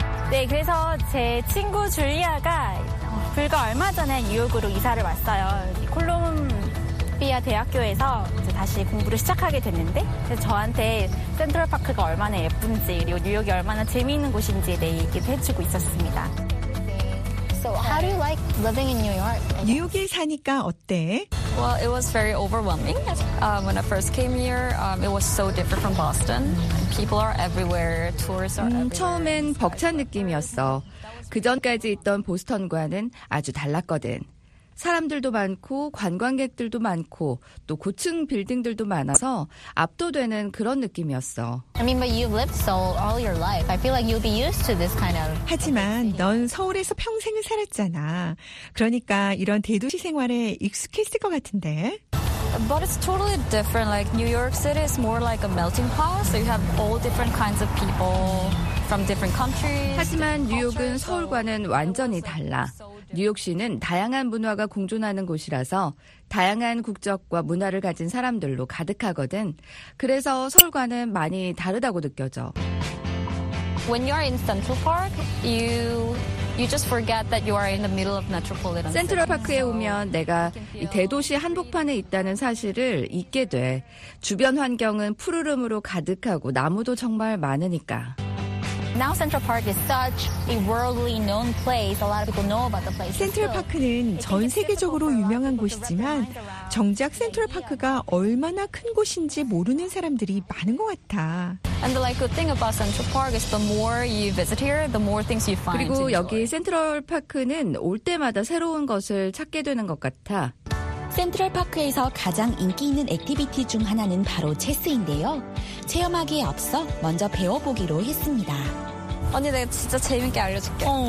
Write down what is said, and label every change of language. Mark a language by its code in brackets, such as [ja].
[ko] 네, 그래서 제 친구 줄리아가 불과 얼마 전에 뉴욕으로 이사를 왔어요. 콜롬비아 대학교에서 이제 다시 공부를 시작하게 됐는데 그래서 저한테 센트럴파크가 얼마나 예쁜지 그리고 뉴욕이 얼마나 재미있는 곳인지에 대해 얘기도 해주고 있었습니다. [en] So how do you like living in New York? [ko] 뉴욕에 사니까 어때? [en] Well, it was very overwhelming. When I first came here, it was so different from Boston. People are everywhere. Tourists are everywhere. [ko] 처음엔 벅찬 느낌이었어. 그전까지 있던 보스턴과는 아주 달랐거든. 사람들도 많고 관광객들도 많고 또 고층 빌딩들도 많아서 압도되는 그런 느낌이었어. [en] I mean, but you've lived Seoul all your life. I feel like you'll be used to this kind of. [ko] 하지만 넌 서울에서 평생을 살았잖아. 그러니까 이런 대도시 생활에 익숙했을 것 같은데. [en] But it's totally different. Like New York City is more like a melting pot. So you have all different kinds of people. From different countries, [ko] 하지만 뉴욕은 서울과는 완전히 달라. 뉴욕시는 다양한 문화가 공존하는 곳이라서 다양한 국적과 문화를 가진 사람들로 가득하거든. 그래서 서울과는 많이 다르다고 느껴져. [en] When you're in Central Park, you just forget that you are in the middle of metropolitan. [ko] 센트럴파크에 오면 내가 이 대도시 한복판에 있다는 사실을 잊게 돼. 주변 환경은 푸르름으로 가득하고 나무도 정말 많으니까. [en] Now Central Park is such a worldly known place. A lot of people know about the place. [ko] 센트럴파크는 전 세계적으로 유명한 곳이지만 정작 센트럴파크가 얼마나 큰 곳인지 모르는 사람들이 많은 것 같아. [en] And the like good thing about Central Park is the more you visit here, the more things you find. [ko] 그리고 여기 센트럴파크는 올 때마다 새로운 것을 찾게 되는 것 같아. 센트럴파크에서 가장 인기 있는 액티비티 중 하나는 바로 체스인데요. 체험하기에 앞서 먼저 배워보기로 했습니다. 언니 내가 진짜 재밌게 알려줄게.